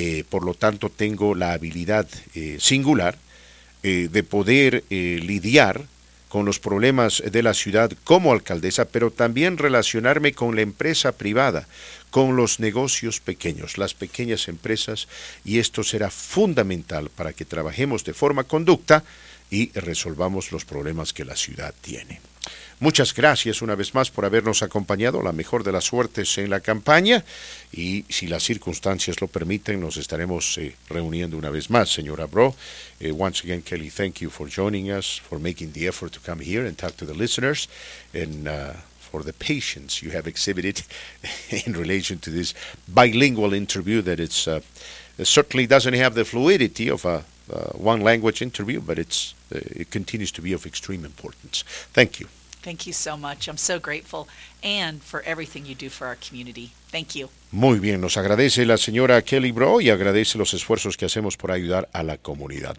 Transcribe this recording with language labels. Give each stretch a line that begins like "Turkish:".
Spanish: Por lo tanto, tengo la habilidad singular de poder lidiar con los problemas de la ciudad como alcaldesa, pero también relacionarme con la empresa privada, con los negocios pequeños, las pequeñas empresas, y esto será fundamental para que trabajemos de forma conducta y resolvamos los problemas que la ciudad tiene. Muchas gracias una vez más por habernos acompañado. La mejor de las suertes en la campaña. Y si las circunstancias lo permiten, nos estaremos reuniendo una vez más, señora Bro.
English: Once again, Kelly, thank you for joining us, for making the effort to come here and talk to the listeners, and for the patience you have exhibited in relation to this bilingual interview that it's certainly doesn't have the fluidity of a one language interview, but it continues to be of extreme importance. Thank you. Thank you so much. I'm so grateful. And for everything you do for our community. Thank you.
Spanish: Muy bien. Nos agradece la señora Kelly Bro y agradece los esfuerzos que hacemos por ayudar a la comunidad.